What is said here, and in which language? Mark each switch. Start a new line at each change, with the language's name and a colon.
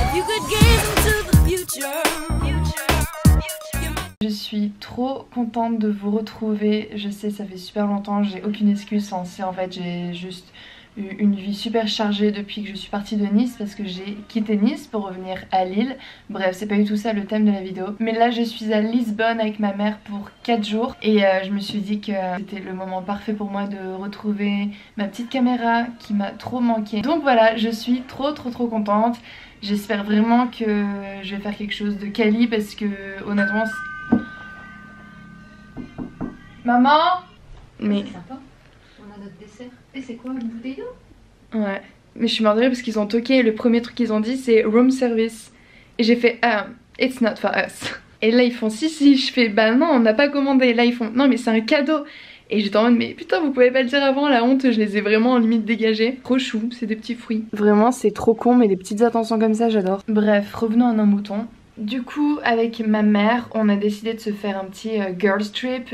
English: You could get into the future.
French: Je suis trop contente de vous retrouver. Je sais, ça fait super longtemps, j'ai aucune excuse. Hein. C'est, en fait, j'ai juste eu une vie super chargée depuis que je suis partie de Nice parce que j'ai quitté Nice pour revenir à Lille. Bref, c'est pas du tout ça le thème de la vidéo. Mais là, je suis à Lisbonne avec ma mère pour 4 jours et je me suis dit que c'était le moment parfait pour moi de retrouver ma petite caméra qui m'a trop manqué. Donc voilà, je suis trop contente. J'espère vraiment que je vais faire quelque chose de quali parce que honnêtement, c'est... Maman ? Mais... C'est sympa, on a notre dessert. Et c'est quoi, une bouteille d'eau ? Ouais, mais je suis mort de rire parce qu'ils ont toqué et le premier truc qu'ils ont dit c'est room service. Et j'ai fait,
English: it's not for us.
French: Et là ils font, si, je fais, bah non, on n'a pas commandé. Et là ils font, non mais c'est un cadeau. Et j'étais en mode, mais putain, vous pouvez pas le dire avant, la honte, je les ai vraiment en limite dégagés. Trop chou, c'est des petits fruits. Vraiment c'est trop con, mais des petites attentions comme ça, j'adore. Bref, revenons à nos moutons. Du coup, avec ma mère, on a décidé de se faire un petit girls trip.